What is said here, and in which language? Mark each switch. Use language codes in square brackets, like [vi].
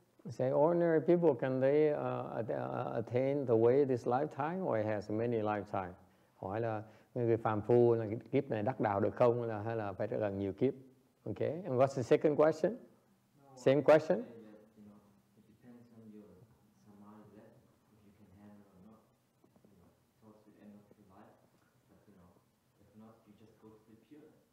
[en] Say, ordinary people, can they attain the way this lifetime, or it has many lifetimes? [vi] Hỏi là người phàm phu là kiếp này đắc đạo được không, hay là phải rất là nhiều kiếp? [en] Okay. And what's the second question? No, same question? That, you know, it depends on your samadhi level, if you can handle or not. You know, towards the end of your life, but you know, if not, you just go to the pure.